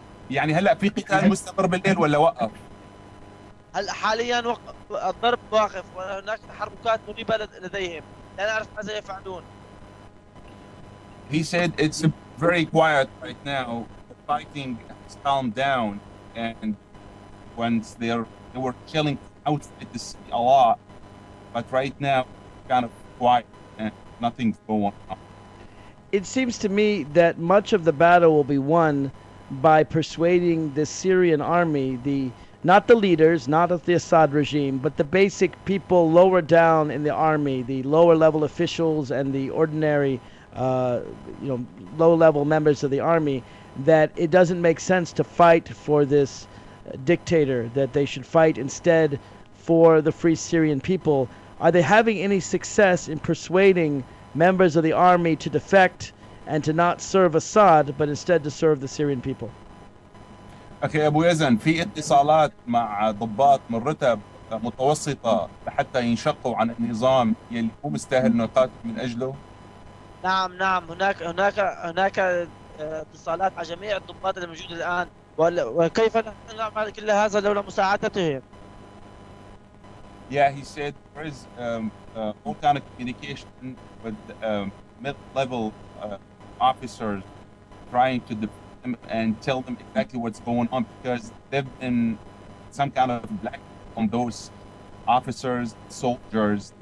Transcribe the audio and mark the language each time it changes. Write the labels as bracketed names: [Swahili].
[Arabic] يعني هلا في قتال مستمر بالليل ولا وقف؟ هلا حاليا الضرب واقف وهناك تحركات مريبه لديهم لا نعرف ماذا يفعلون [English] He said it's very quiet right now. The fighting has calmed down, and once they were chilling outside the city a lot, but right now it's kind of quiet and nothing's going on. It seems to me that much of the battle will be won by persuading the Syrian army, not the leaders, not of the Assad regime, but the basic people lower down in the army, the lower level officials and the ordinary low-level members of the army, that it doesn't make sense to fight for this dictator, that they should fight instead for the free Syrian people. Are they having any success in persuading members of the army to defect and to not serve Assad, but instead to serve the Syrian people? [Arabic] Okay, Abu Yazan, في اتصالات مع ضباط من رتب متوسطة لحتى ينشقوا عن النظام يلي هو مستاهل نقاتل من أجله. نعم هناك اتصالات مع جميع الضباط الموجود الآن وكيف نعمل كل هذا لولا مساعدتهم؟ [English] Yeah, he said there is all kind of communication with mid-level officers trying to defend them and tell them exactly what's going on because they've been some kind of black on those officers, soldiers.